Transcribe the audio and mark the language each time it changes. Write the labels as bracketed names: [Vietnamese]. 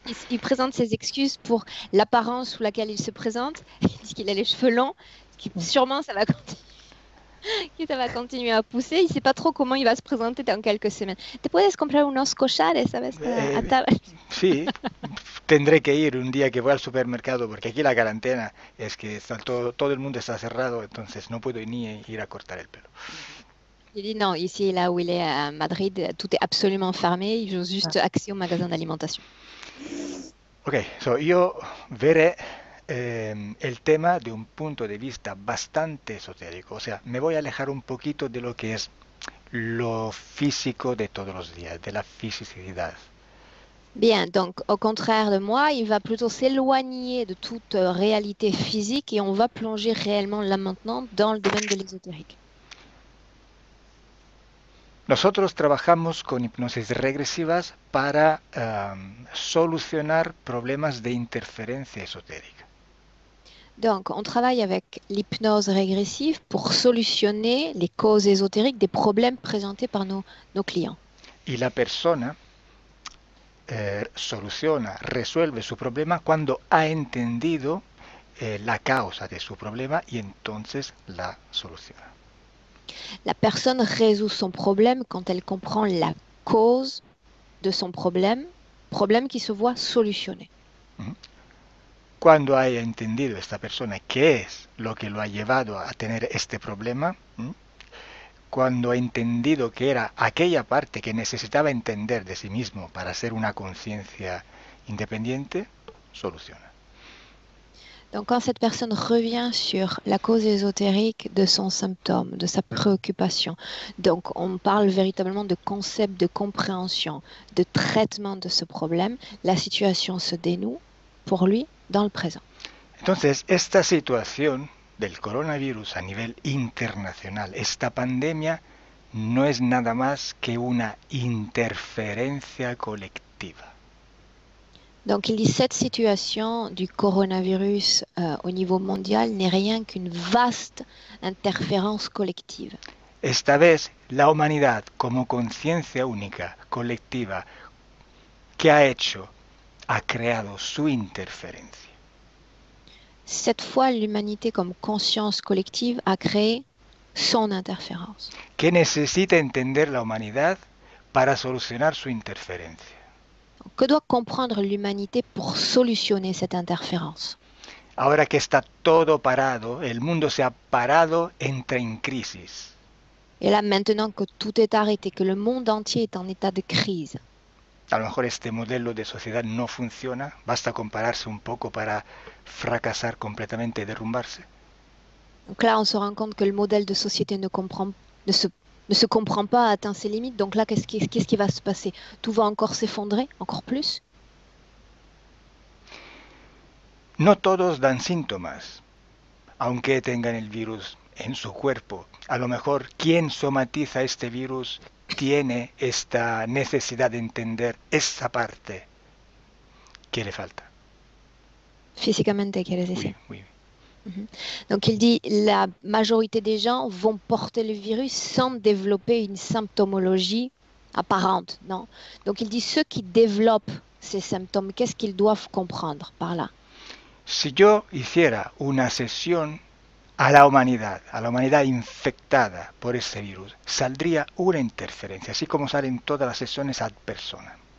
[French] Il présente ses excuses pour l'apparence sous laquelle il se présente. Il dit qu'il a les cheveux longs, ce qui sûrement ça va continuer. Que ça va continuer à pousser. Il ne sait pas trop comment il va se présenter dans quelques semaines. [Spanish] Te puedes comprar unos cochales, ¿sabes? [French] A table. [Spanish] Sí, tendré que ir un día que voy al supermercado porque aquí la cuarentena es que está todo el mundo está cerrado, entonces no puedo ni ir a cortar el pelo. [French] Il dit non, ici, là où il est à Madrid, tout est absolument fermé. Ils ont juste accès au magasin d'alimentation. [Spanish] So yo veré el tema de un punto de vista bastante esotérico, o sea, me voy a alejar un poquito de lo que es lo físico de todos los días, de la fisicidad. [French] Bien, donc au contraire de moi, il va plutôt s'éloigner de toute réalité physique et on va plonger réellement là maintenant dans le domaine de l'ésotérique. [Spanish] Nosotros trabajamos con hipnosis regresivas para solucionar problemas de interferencia esotérica. [French] Donc, on travaille avec l'hypnose régressive pour solutionner les causes ésotériques des problèmes présentés par nos clients. [Spanish] Y la persona soluciona, resuelve su problema cuando ha entendido la causa de su problema y entonces la soluciona. [French] La personne résout son problème quand elle comprend la cause de son problème, problème qui se voit solutionné. [Spanish] cuando haya entendido esta persona qué es lo que lo ha llevado a tener este problema, cuando ha entendido que era aquella parte que necesitaba entender de sí mismo para ser una conciencia independiente, soluciona. [French] Donc, quand cette personne revient sur la cause ésotérique de son symptôme, de sa préoccupation, donc on parle véritablement de concept de compréhension, de traitement de ce problème, la situation se dénoue pour lui dans le présent. [Spanish] Entonces, esta situación del coronavirus a nivel internacional, esta pandemia, no es nada más que una interferencia colectiva. [French] Donc il dit cette situation du coronavirus au niveau mondial n'est rien qu'une vaste interférence collective. [Spanish] Esta vez, la humanidad, como conciencia única, colectiva, ¿qué ha hecho? Ha creado su interferencia. [French] Cette fois, l'humanité comme conscience collective a créé son interférence. [Spanish] ¿Qué necesita entender la humanidad para solucionar su interferencia? [French] Que doit comprendre l'humanité pour solutionner cette interférence? [Spanish] Ahora que está todo parado, el mundo se ha parado, entra en crisis. [French] Et là, maintenant que tout est arrêté, que le monde entier est en état de crise. [Spanish] A lo mejor este modelo de sociedad no funciona, basta compararse un poco para fracasar completamente y derrumbarse. [French] Donc là, on se rend compte que le modèle de société ne se comprend pas, atteint ses limites. Donc là, qu'est-ce qui va se passer? Tout va encore s'effondrer, encore plus? [Spanish] No todos dan síntomas, aunque tengan el virus en su cuerpo. A lo mejor quien somatiza este virus tiene esta necesidad de entender esa parte que le falta. Físicamente, ¿quieres [French] Oui, [Spanish] decir? [French] oui. Donc il dit, la majorité des gens vont porter le virus sans développer une symptomologie apparente, non? Donc il dit, ceux qui développent ces symptômes, qu'est-ce qu'ils doivent comprendre par là? [Spanish] Si yo hiciera una sesión a la humanidad infectada por ese virus, saldría una interferencia, así como salen todas las sesiones ad persona.